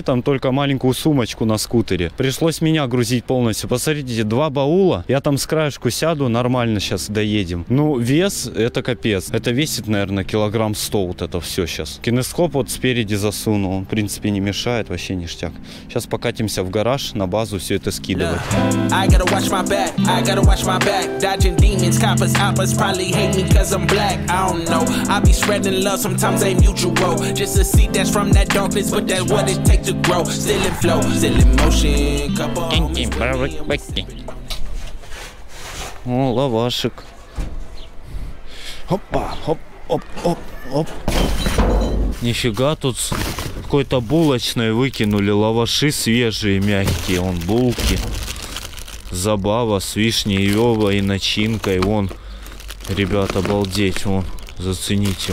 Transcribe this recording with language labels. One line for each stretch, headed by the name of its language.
Russian: Там только маленькую сумочку на скутере. Пришлось меня грузить полностью. Посмотрите, два баула. Я там с краешку сяду. Нормально сейчас доедем. Ну, вес, это капец. Это весит, наверное, 100 кг вот это все сейчас. Кинескоп вот спереди засунул. Он, в принципе, не мешает. Вообще ништяк. Сейчас покатимся в гараж на базу все это скидывать.
English: I gotta watch my back, I gotta watch my back. Dodging demons, coppers, oppers probably hate me cause I'm black. I don't know, I be spreading love, sometimes ain't mutual. Just a seed that's from that darkness, but that's what it takes to grow. Still in flow, still in motion. Couple homies with me and we'll see.
Russian: О, лавашек. Опа, оп, оп, оп, оп. Нифига тут какой-то булочной выкинули. Лаваши свежие, мягкие, вон булки. Забава с вишней, ёвой и начинкой. Вон, ребята, обалдеть. Вон, зацените.